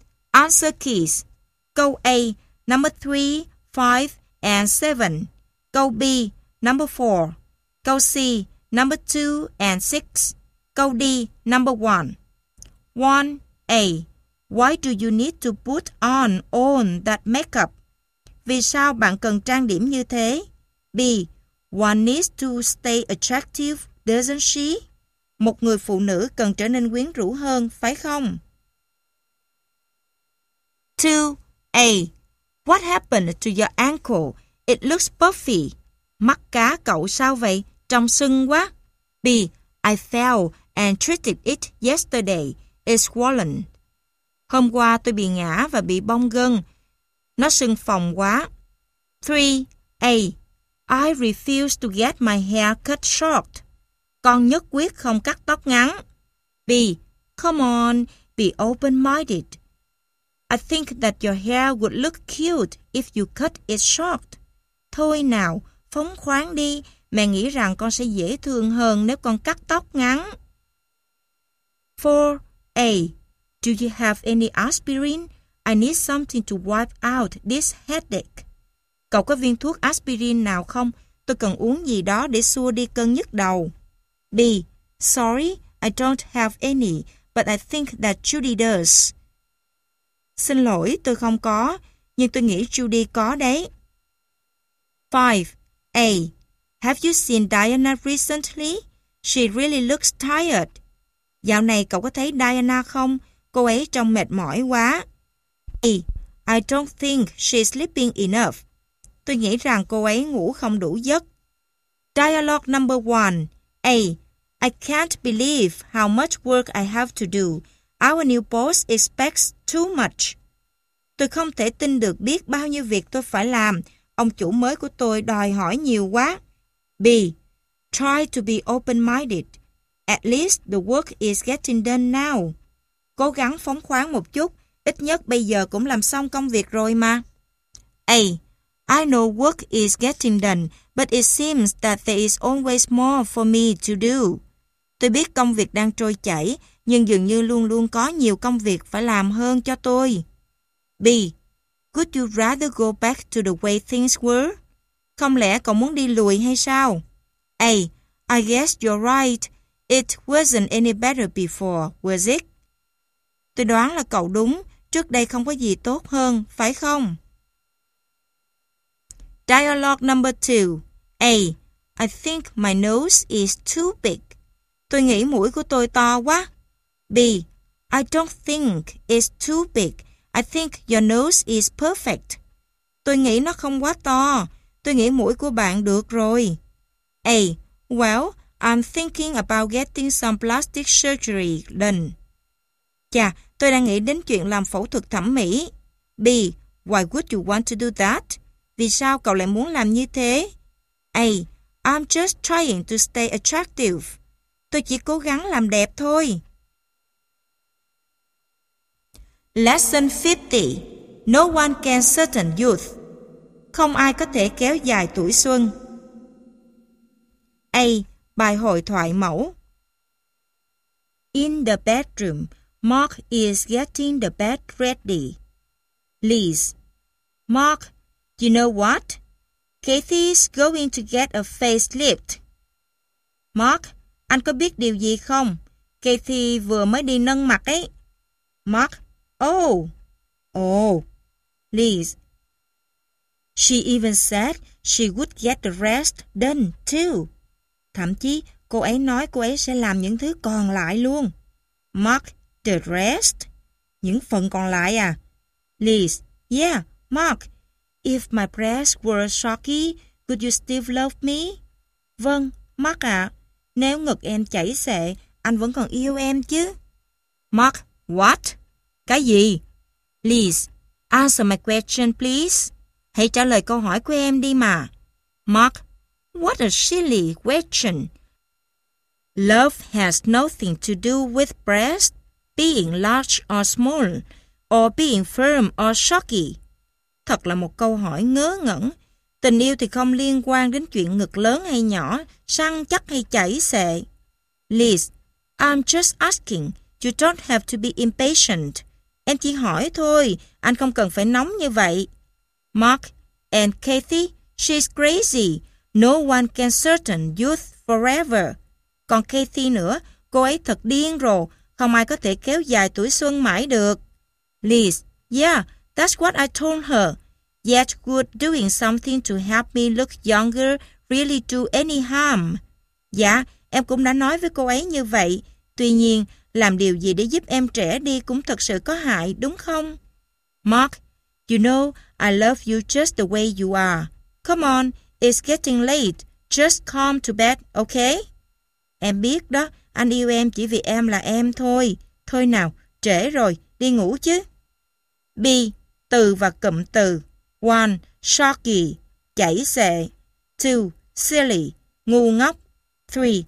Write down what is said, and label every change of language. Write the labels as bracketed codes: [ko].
[en] Answer keys. Câu A, number 3, 5, and 7. Câu B, number 4. Câu C, number 2 and 6. Câu D, number 1. 1. A. Why do you need to put on all that makeup? [vi] Vì sao bạn cần trang điểm như thế? [en] B. One needs to stay attractive, doesn't she? [vi] Một người phụ nữ cần trở nên quyến rũ hơn, phải không? [en] 2. A. What happened to your ankle? It looks puffy. [vi] Mắt cá cậu sao vậy? Trông sưng quá. [en] B. I fell and treated it yesterday. It's swollen. [vi] Hôm qua tôi bị ngã và bị bong gân. Nó sưng phồng quá. [en] 3. A. I refuse to get my hair cut short. [vi] Con nhất quyết không cắt tóc ngắn. [en] B. Come on, be open-minded. I think that your hair would look cute if you cut it short. [vi] Thôi nào, phóng khoáng đi. Mẹ nghĩ rằng con sẽ dễ thương hơn nếu con cắt tóc ngắn. [en] 4. A. Do you have any aspirin? I need something to wipe out this headache. [vi] Cậu có viên thuốc aspirin nào không? Tôi cần uống gì đó để xua đi cơn nhức đầu. [en] B. Sorry, I don't have any, but I think that Judy does. [vi] Xin lỗi, tôi không có, nhưng tôi nghĩ Judy có đấy. [en] 5. A. Have you seen Diana recently? She really looks tired. [vi] Dạo này cậu có thấy Diana không? Cô ấy trông mệt mỏi quá. [en] B. I don't think she's sleeping enough. [vi] Tôi nghĩ rằng cô ấy ngủ không đủ giấc. [en] Dialogue number 1. A. I can't believe how much work I have to do. Our new boss expects too much. [vi] Tôi không thể tin được biết bao nhiêu việc tôi phải làm. Ông chủ mới của tôi đòi hỏi nhiều quá. [en] B. Try to be open-minded. At least the work is getting done now. [vi] Cố gắng phóng khoáng một chút. Ít nhất bây giờ cũng làm xong công việc rồi mà. [en] A. I know work is getting done, but it seems that there is always more for me to do. [vi] Tôi biết công việc đang trôi chảy, nhưng dường như luôn luôn có nhiều công việc phải làm hơn cho tôi. [en] B. Could you rather go back to the way things were? [vi] Không lẽ cậu muốn đi lùi hay sao? [en] A. I guess you're right. It wasn't any better before, was it? [vi] Tôi đoán là cậu đúng. Trước đây không có gì tốt hơn, phải không? [en] Dialogue number 2. A. I think my nose is too big. [vi] Tôi nghĩ mũi của tôi to quá. [en] B. I don't think it's too big. I think your nose is perfect. [vi] Tôi nghĩ nó không quá to. Tôi nghĩ mũi của bạn được rồi. [en] A. Well, I'm thinking about getting some plastic surgery done. [vi] Chà, tôi đang nghĩ đến chuyện làm phẫu thuật thẩm mỹ. [en] B. Why would you want to do that? [vi] Vì sao cậu lại muốn làm như thế? [en] A. I'm just trying to stay attractive. [vi] Tôi chỉ cố gắng làm đẹp thôi. [en] Lesson 50. No one can shorten youth. [vi] Không ai có thể kéo dài tuổi xuân. A. Bài hội thoại mẫu. [en] In the bedroom, Mark is getting the bed ready. Liz. Mark, you know what? Kathy's going to get a facelift. [vi] Mark, anh có biết điều gì không? Kathy vừa mới đi nâng mặt ấy. [en] Mark, oh. Oh. Liz. She even said she would get the rest done too. [vi] Thậm chí, cô ấy nói cô ấy sẽ làm những thứ còn lại luôn. [en] Mark, the rest? [vi] Những phần còn lại à? [en] Liz, yeah, Mark. If my breasts were soggy, could you still love me? [vi] Vâng, Mark ạ. Nếu ngực em chảy xệ, anh vẫn còn yêu em chứ? [en] Mark, what? [vi] Cái gì? [en] Liz, answer my question, please. [vi] Hãy trả lời câu hỏi của em đi mà. [en] Mark, what a silly question. Love has nothing to do with breasts being large or small, or being firm or soggy. [vi] Thật là một câu hỏi ngớ ngẩn. Tình yêu thì không liên quan đến chuyện ngực lớn hay nhỏ, săn chắc hay chảy xệ. [en] Liz, I'm just asking. You don't have to be impatient. [vi] Em chỉ hỏi thôi, anh không cần phải nóng như vậy. [en] Mark and Kathy, she's crazy. No one can shorten youth forever. [vi] Còn Kathy nữa, cô ấy thật điên rồ, không ai có thể kéo dài tuổi xuân mãi được. [en] Liz, yeah, that's what I told her. Yet would doing something to help me look younger really do any harm? [vi] Dạ, em cũng đã nói với cô ấy như vậy. Tuy nhiên, làm điều gì để giúp em trẻ đi cũng thật sự có hại, đúng không? [en] Mark, you know, I love you just the way you are. Come on, it's getting late. Just come to bed, okay? [vi] Em biết đó, anh yêu em chỉ vì em là em thôi. Thôi nào, trễ rồi, đi ngủ chứ. B. Từ và cụm từ. 1. Shocky, chảy xệ. 2. Silly, ngu ngốc. 3.